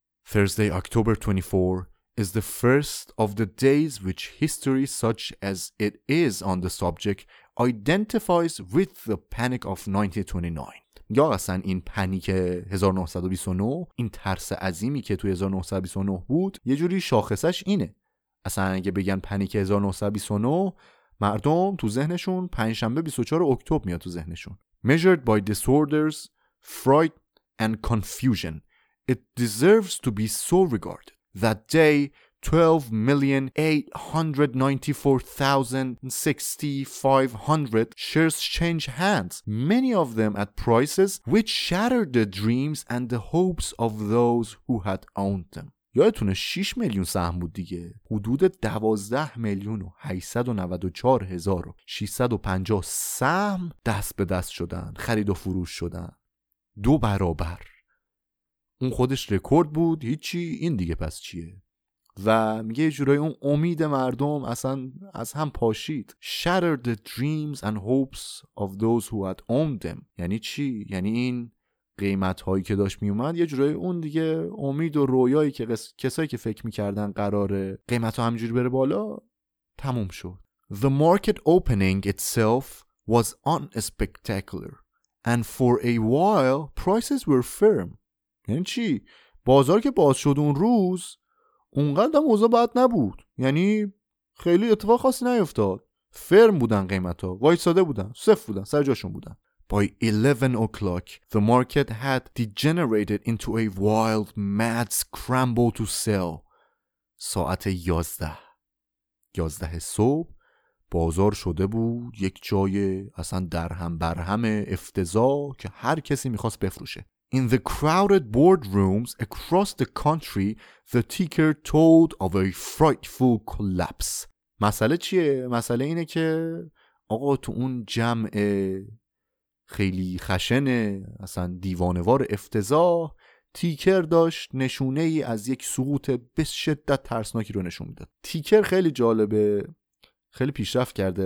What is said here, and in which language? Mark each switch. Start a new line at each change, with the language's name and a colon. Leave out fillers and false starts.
English: Thursday, October 24 is the first of the days which history such as it is on the subject identifies with the panic of 1929.
Persian: یا اصلا این پنیک 1929، این ترس عظیمی که توی 1929 بود، یه جوری شاخصش اینه. اصلا اگه بگن پنیک 1929، مردم تو ذهنشون پنجشنبه 24 اکتبر میاد تو ذهنشون.
English: Measured by disorders, fright and confusion, it deserves to be so regarded. That day, 12,894,650 shares changed hands, many of them at prices which shattered the dreams and the hopes of those who had owned them.
Persian: یادتونه 6 میلیون سهم بود دیگه، حدود 12,894,650 سهم دست به دست شدن، خرید و فروش شدن، دو برابر. اون خودش رکورد بود، هیچی، این دیگه پس چیه؟ و میگه یه جورای اون امید مردم اصلا از هم پاشید.
English: Shattered the dreams and hopes of those who had owned them.
Persian: یعنی چی؟ یعنی این قیمت‌هایی که داشت میومد، یه جورای اون دیگه امید و رویایی که کسایی که فکر میکردن قراره قیمت‌ها همجوری بره بالا، تموم شد.
English: The market opening itself was unspectacular. And for a while, prices were firm.
Persian: یعنی چی؟ بازار که باز شد اون روز، اونقدر هم اوضاع بد نبود. یعنی خیلی اتفاق خاصی نیفتاد. فرم بودن قیمت‌ها. وایساده بودن. صفر بودن. سر جاشون بودن.
English: By 11 o'clock, the market had degenerated into a wild, mad scramble to sell.
Persian: ساعت 11. 11 صبح. بازار شده بود یک جای اصلا درهم برهم افتضاح که هر کسی میخواست بفروشه.
English: In the crowded boardrooms across the country, the ticker told of a frightful collapse.
Persian: مسئله چیه؟ مسئله اینه که آقا تو اون جمع خیلی خشن اصلا دیوانوار افتضاح، تیکر داشت نشونه ای از یک سقوط به شدت ترسناکی رو نشون میداد. تیکر خیلی جالبه، خیلی پیشرفت کرده.